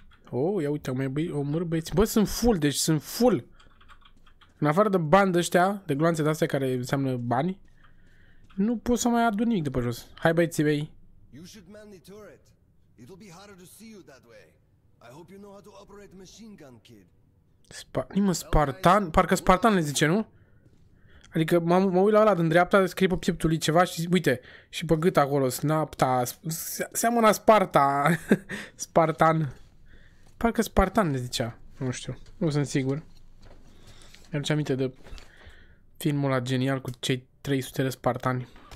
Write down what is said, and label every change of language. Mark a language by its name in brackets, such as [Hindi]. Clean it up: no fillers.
[Romanian] Oh, ia uite, am omorât băieții. Bă, sunt full, deci sunt full. În afară de bandă ăștia, de gloanțe de-astea care înseamnă bani, nu pot să mai adun nimic de pe jos. Hai băieții mei. [English] You should man the turret. It'll be harder to see you that way. I hope you know how to operate machine gun, kid. [Romanian] Nimă, spartan? Parcă spartan le zice, nu? Adică mă uit la ăla din dreapta, scrie pe pieptul lui ceva și uite, și pe gât acolo, snapta, seamănă Sparta, spartan. Parcă spartan le zicea, nu știu, nu sunt sigur. Mi-aduce aminte de filmul ăla genial cu cei 300 de spartani.